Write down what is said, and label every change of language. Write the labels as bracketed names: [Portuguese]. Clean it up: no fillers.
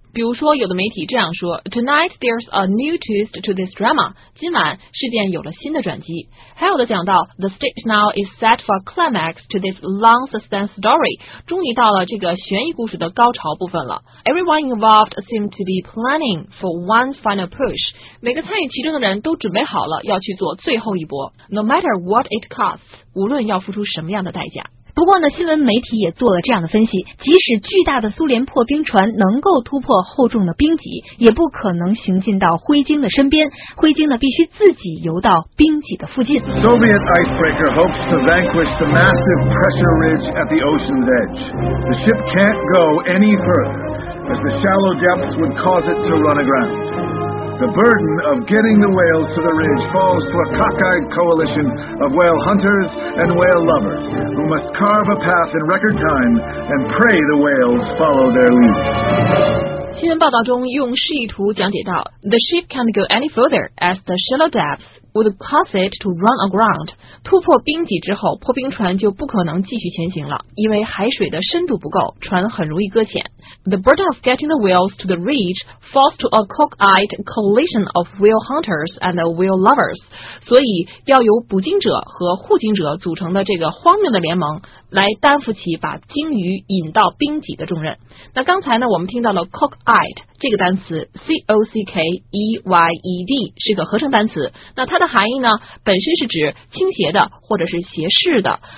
[Chinese] 比如说有的媒体这样说 [English] Tonight there's a new twist to this drama [Chinese] 今晚事件有了新的转机还有的讲到 [English] The stage now is set for a climax to this long suspense story [Chinese] 终于到了这个悬疑故事的高潮部分了 [English] Everyone involved seem to be planning for one final push [Chinese] 每个参与其中的人都准备好了要去做最后一波 [English] No matter what it costs [Chinese] 无论要付出什么样的代价不过呢，新闻媒体也做了这样的分析，即使巨大的苏联破冰船能够突破厚重的冰脊，也不可能行进到灰鲸的身边，灰鲸呢必须自己游到冰脊的附近。 [English] Soviet icebreaker hopes to vanquish the massive pressure ridge at the ocean's edge. The ship can't go any further, as the shallow depths would cause it to run aground. The burden of getting the whales to the ridge falls to a cockeyed coalition of whale hunters and whale lovers who must carve a path in record time and pray the whales follow their lead. [Chinese] 新闻报道中用示意图讲解到 [English] The ship can't go any further as the shallow depths would cause it to run aground. [Chinese] 突破冰脊之后破冰船就不可能继续前行了因为海水的深度不够船很容易搁浅。 [English] The burden of getting the whales to the ridge falls to a cockeyed coalition of whale hunters and whale lovers. [Chinese] 所以要由捕鲸者和护鲸者组成的这个荒谬的联盟来担负起把鲸鱼引到冰脊的重任。那刚才呢我们听到了 cockeyed 这个单词 C-O-C-K-E-Y-E-D 是个合成单词。那它的含义呢本身是指倾斜的或者是斜视的。